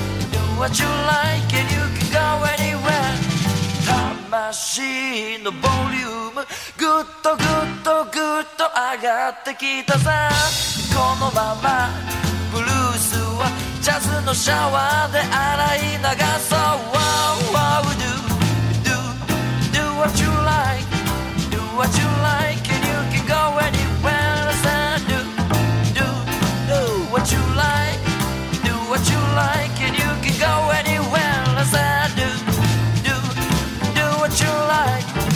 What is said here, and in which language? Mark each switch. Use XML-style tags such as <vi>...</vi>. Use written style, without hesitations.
<en>Do what you like and you can go anywhere.</en> <ja>魂のボリュームグッとグッとグッと上がってきたさ。このままブルースはジャズのシャワーで洗い流そう。</ja> <en>Wow, wow, do, do, do what you like. Do what you like and you can go anywhere. I said do, do, do what you like. Do what you like and you can go anywhere. I said do, do, do what you like.</en>